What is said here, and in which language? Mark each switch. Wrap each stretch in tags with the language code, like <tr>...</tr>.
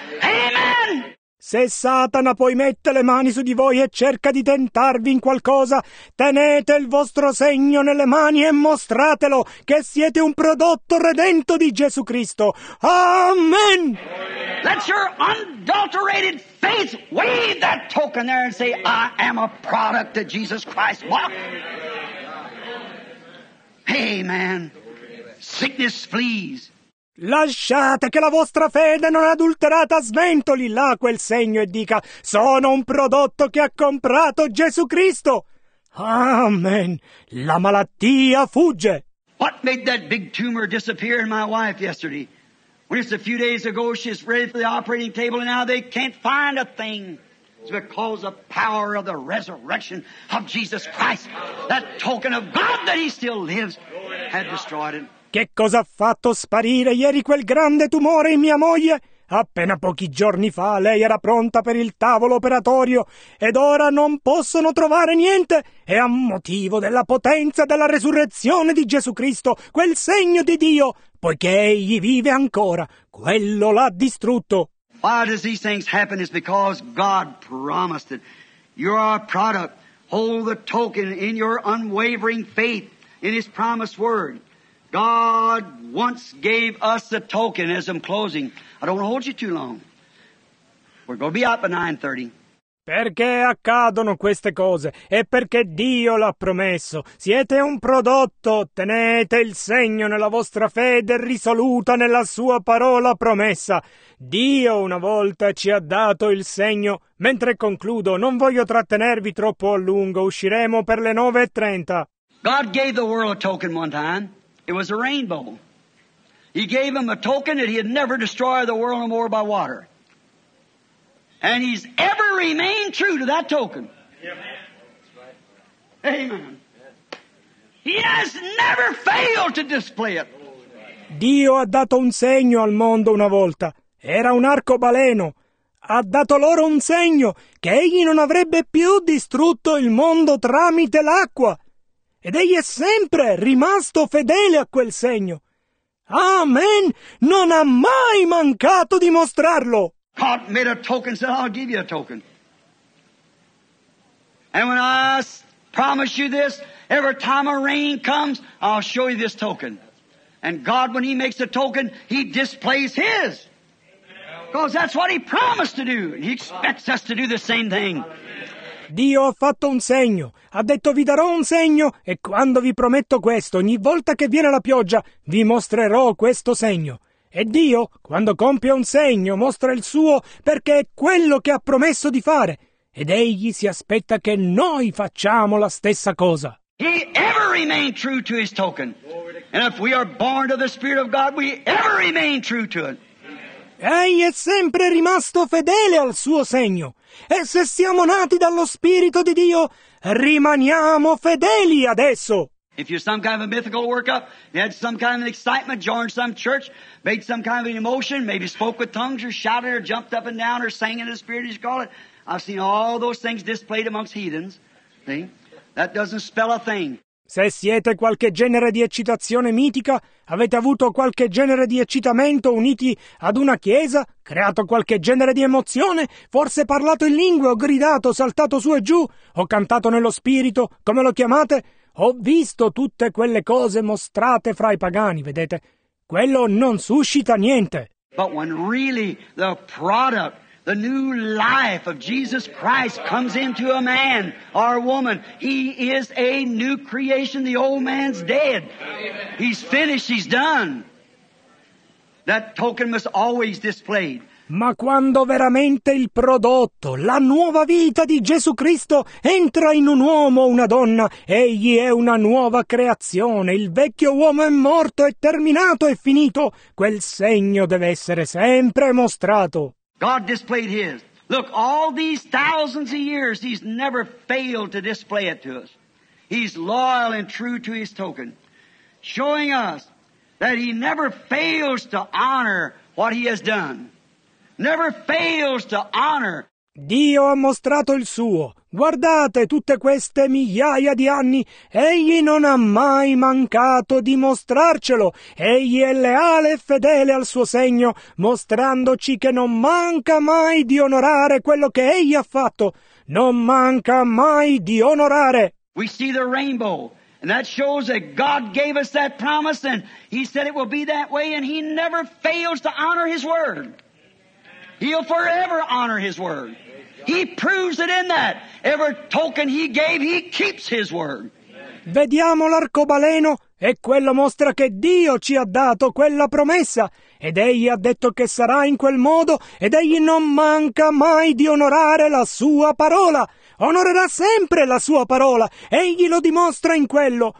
<it>Amen! Se Satana poi mette le mani su di voi e cerca di tentarvi in qualcosa, tenete il vostro segno nelle mani e mostratelo che siete un prodotto redento di Gesù Cristo.</it> <en>Amen! Let your unadulterated faith wave that token there and say, "I am a product of Jesus Christ." What? Amen. Sickness flees.</en> <it>Lasciate che la vostra fede non adulterata sventoli là quel segno e dica: "Sono un prodotto che ha comprato Gesù Cristo." Amen. La malattia fugge.</it> <en>What made that big tumor disappear in my wife yesterday? When it's a few days ago, she's ready for the operating table, and now they can't find a thing. It's because of the power of the resurrection of Jesus Christ. That token of God that he still lives had destroyed it.</en> <it>Che cosa ha fatto sparire ieri quel grande tumore in mia moglie? Appena pochi giorni fa lei era pronta per il tavolo operatorio, ed ora non possono trovare niente. È a motivo della potenza della resurrezione di Gesù Cristo, quel segno di Dio, poiché egli vive ancora, quello l'ha distrutto.</it> <en>Why does these things happen? It's because God promised it. You are a product. Hold the token in your unwavering faith in his promised word. God once gave us a token, as I'm closing. I don't want to hold you too long. We're going to be out by 9:30.</en> <it>Perché accadono queste cose? È perché Dio l'ha promesso. Siete un prodotto. Tenete il segno nella vostra fede risoluta nella sua parola promessa. Dio una volta ci ha dato il segno. Mentre concludo, non voglio trattenervi troppo a lungo. Usciremo per le 9:30.</it> <en>God gave the world a token one time. It was a rainbow. He gave him a token that he'd never destroy the world no more by water. And he's ever remained true to that token. Amen. He has never failed to display it.</en> <it>Dio ha dato un segno al mondo una volta. Era un arcobaleno. Ha dato loro un segno che egli non avrebbe più distrutto il mondo tramite l'acqua. Ed egli è sempre rimasto fedele a quel segno. Amen! Non ha mai mancato di mostrarlo!</it> <en>God made a token, said, "I'll give you a token. And when I promise you this, every time a rain comes, I'll show you this token." And God, when he makes a token, he displays his. Because that's what he promised to do. And he expects us to do the same thing.</en> <it>Dio ha fatto un segno, ha detto: "Vi darò un segno, e quando vi prometto questo, ogni volta che viene la pioggia, vi mostrerò questo segno." E Dio, quando compie un segno, mostra il suo perché è quello che ha promesso di fare. ed egli si aspetta che noi facciamo la stessa cosa.</it> <en>He ever remained true to his token. And if we are born of the Spirit of God, we ever remain true to it.</en> <it>Egli è sempre rimasto fedele al suo segno. E se siamo nati dallo Spirito di Dio, rimaniamo fedeli adesso.</it> <en>If you're some kind of a mythical workup, you had some kind of an excitement, joined some church, made some kind of an emotion, maybe spoke with tongues or shouted or jumped up and down or sang in the Spirit, as you call it. I've seen all those things displayed amongst heathens. See? That doesn't spell a thing.</en> <it>Se siete qualche genere di eccitazione mitica, avete avuto qualche genere di eccitamento uniti ad una chiesa, creato qualche genere di emozione, forse parlato in lingue, o gridato, saltato su e giù, o cantato nello spirito, come lo chiamate, ho visto tutte quelle cose mostrate fra i pagani, vedete? Quello non suscita niente.</it> <en>But when really the product, the new life of Jesus Christ comes into a man or a woman, he is a new creation. The old man's dead. He's finished. He's done. That token must always display.</en> <it>Ma quando veramente il prodotto, la nuova vita di Gesù Cristo entra in un uomo o una donna, egli è una nuova creazione, il vecchio uomo è morto, è terminato, è finito, quel segno deve essere sempre mostrato.</it> <en>God displayed his. Look, all these thousands of years, he's never failed to display it to us. He's loyal and true to his token, showing us that he never fails to honor what he has done. Never fails to honor.</en> <it>Dio ha mostrato il suo. Guardate tutte queste migliaia di anni. Egli non ha mai mancato di mostrarcelo. Egli è leale e fedele al suo segno, mostrandoci che non manca mai di onorare quello che egli ha fatto. Non manca mai di onorare.</it> <en>We see the rainbow, and that shows that God gave us that promise, and he said it will be that way, and he never fails to honor his word. He'll forever honor his word. He proves it in that. Every token he gave, he keeps his word.</en> <it>Vediamo l'arcobaleno e quello mostra che Dio ci ha dato quella promessa ed egli ha detto che sarà in quel modo ed egli non manca mai di onorare la sua parola. Onorerà sempre la sua parola. Egli lo dimostra in quello.</it>